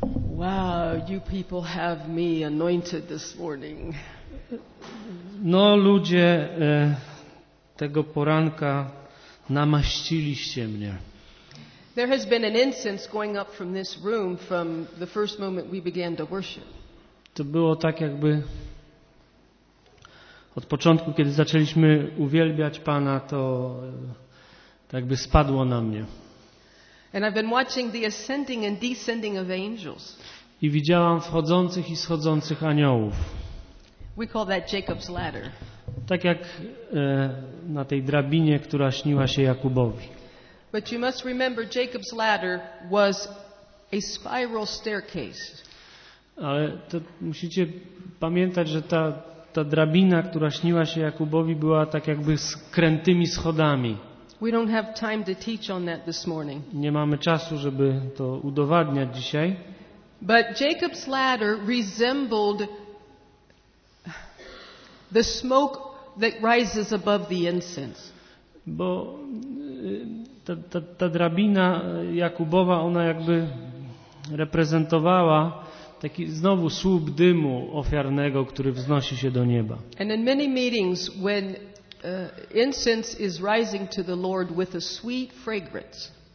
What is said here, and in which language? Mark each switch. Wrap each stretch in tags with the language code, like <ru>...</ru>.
<en>Wow, you people have me anointed this morning.</en> <pl>No, ludzie, tego poranka namaściliście mnie.</pl> <en>There has been an incense going up from this room from the first moment we began to worship.</en> <pl>To było tak, jakby od początku, kiedy zaczęliśmy uwielbiać Pana, to jakby spadło na mnie.</pl> <en>And I've been watching the ascending and descending of angels.</en> <pl>I widziałam wchodzących i schodzących aniołów.</pl> <en>We call that Jacob's ladder.</en> <pl>Tak jak na tej drabinie, która śniła się Jakubowi.</pl> <en>But you must remember Jacob's ladder was a spiral staircase.</en> <pl>Ale to musicie pamiętać, że ta drabina, która śniła się Jakubowi, była tak jakby skrętymi schodami.</pl> <en>We don't have time to teach on that this morning.</en> <pl>Nie mamy czasu, żeby to udowadniać dzisiaj.</pl> <en>But Jacob's ladder resembled the smoke that rises above the incense.</en> <pl>Bo ta drabina Jakubowa, ona jakby reprezentowała taki znowu słup dymu ofiarnego, który wznosi się do nieba.</pl> <en>And in many meetings when incense is rising to the Lord with a sweet fragrance.</en>